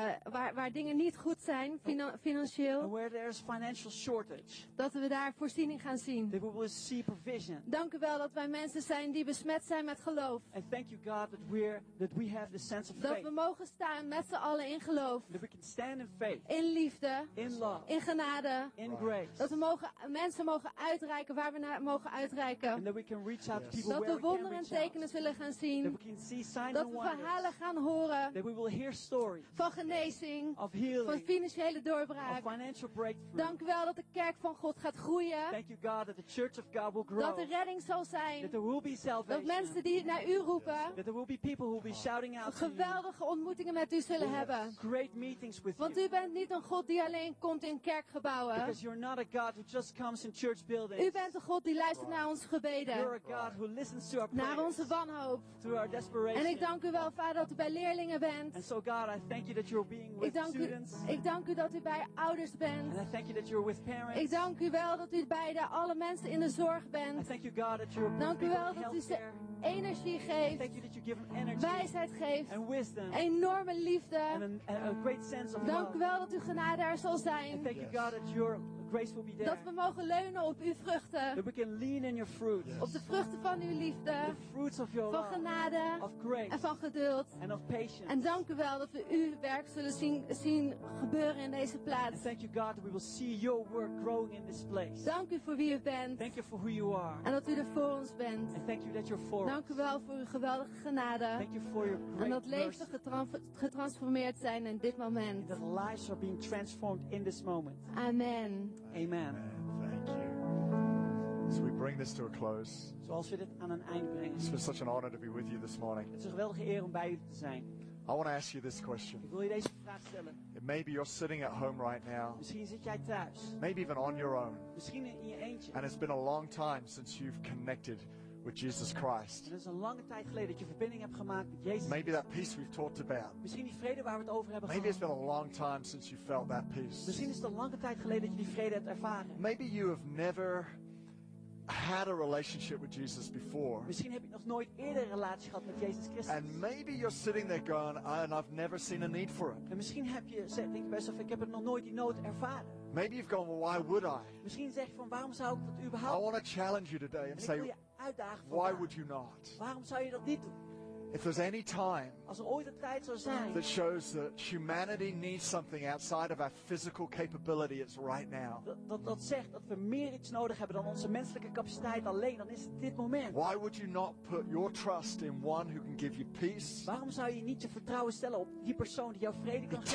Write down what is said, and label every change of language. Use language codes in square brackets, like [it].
[nl] waar dingen niet goed zijn financieel. [en] And where there's financial shortage. [nl] Dat we daar voorziening gaan zien. [en] That we will see provision. [nl] Dank u wel dat wij mensen zijn die besmet zijn met geloof. [en] And thank you God that we have the sense of faith. [nl] Dat we mogen staan met z'n allen in geloof. [en] That we can stand in faith. [nl] In liefde. [en] In love. [nl] In genade. [en] In grace. [nl] Dat we mensen mogen uitreiken waar we naar mogen uitreiken. [en] And that we can reach out to people. [nl] Dat [en] where [nl] we wonderen en tekenen willen gaan zien. [en] That we can see signs. [nl] Dat we verhalen gaan horen. [en] That we will hear stories. [nl] Van genezing. [en] Of healing, [nl] van financiële doorbraak. [en] Of financial breakthrough. [nl] Dank u wel dat de kerk van God gaat groeien. [en] Thank you God that the church of God will grow. [nl] Dat er redding zal zijn. [en] That there will be salvation. [nl] Dat mensen die naar u roepen. [en] Yes. That there will be people who will be shouting out. [nl] Geweldige ontmoetingen met u zullen hebben. [en] Great meetings with [nl] Want [en] you. [nl] U bent niet een God die alleen komt in kerkgebouwen. [en] Because you're not a God who just comes in church buildings. [nl] U bent een God die luistert naar onze gebeden. [en] You're a God who listens to our prayers. [nl] Naar onze wanhoop. [en] To our desperation. [nl] En ik dank u wel Vader dat u bij leerlingen bent. [en] And so God, I thank you that you're being with students. [nl] Ik dank u dat u bij ouders bent. [en] And I thank you that you're with parents. [nl] Ik dank u wel dat u bij de alle mensen in de zorg bent. [en] I thank you God that you're [nl] dank u wel dat u ze energie geeft. [en] Thank you that you give them energy. [nl] Wijsheid geeft. [en] And wisdom. [nl] Enorme liefde. [en] And a great sense of love. [nl] Dank u wel dat u genade er zal zijn. [en] And thank you God that you're grace will be there. [nl] Dat we mogen leunen op uw vruchten. [en] That we can lean in your fruit. [nl] Yes. Op de vruchten van uw liefde. [en] The fruits of your [nl] van genade. [en] Of grace. [nl] En van geduld. [en] And of patience. [nl] En dank u wel dat we uw werk zullen zien gebeuren in deze plaats. [en] And thank you God that we will see your work growing in this place. [nl] Dank u voor wie u bent. [en] Thank you for who you are. [nl] En dat u er voor ons bent. [en] And thank you that you're for [nl] dank u wel voor uw geweldige genade. [en] Thank you for your great [nl] en dat levens getransformeerd zijn in dit moment. [en] And that lives are being transformed in this moment. [nl] Amen. [en] Amen. Amen. Thank you. So we bring this to a close. [nl] Zoals we dit aan een eind brengen. [en] It's been such an honor to be with you this morning. [nl] Het is een geweldige eer om bij u te zijn. [en] I want to ask you this question. [nl] Ik wil je deze vraag stellen. [en] Maybe you're sitting at home right now. [nl] Misschien zit jij thuis. [en] Maybe even on your own. [nl] Misschien in je eentje. [en] And it's been a long time since you've connected with Jesus Christ. [nl] Het is een lange tijd geleden dat je verbinding hebt gemaakt met Jezus. [en] Maybe that peace we've talked about. [nl] Misschien die vrede waar we het over hebben gehad. [en] Maybe it's been a long time since you felt that peace. [nl] Misschien is het een lange tijd geleden dat je die vrede hebt ervaren. [en] Maybe you have never had a relationship with Jesus before. [nl] Misschien heb je nog nooit eerder een relatie gehad met Jezus Christus. [en] And maybe you're sitting there going, and I've never seen a need for it. [nl] En misschien heb je denk je bij jezelf, ik heb het nog nooit die nood ervaren. [en] Maybe you've gone, well, why would I? [nl] Misschien zeg je van, waarom zou ik dat überhaupt? [en] I want to challenge you today and say, why would you not? [nl] Waarom zou je dat niet doen? [en] If there's any time [nl] als er ooit een tijd zou zijn [en] that shows that humanity needs something outside of our physical capability, it's right now. [nl] Dat zegt dat we meer iets nodig hebben dan onze menselijke capaciteit alleen, dan is het dit moment. [en] Why would you not put your trust in one who can give you peace? [nl] Waarom zou je niet je vertrouwen stellen op die persoon die jou vrede kan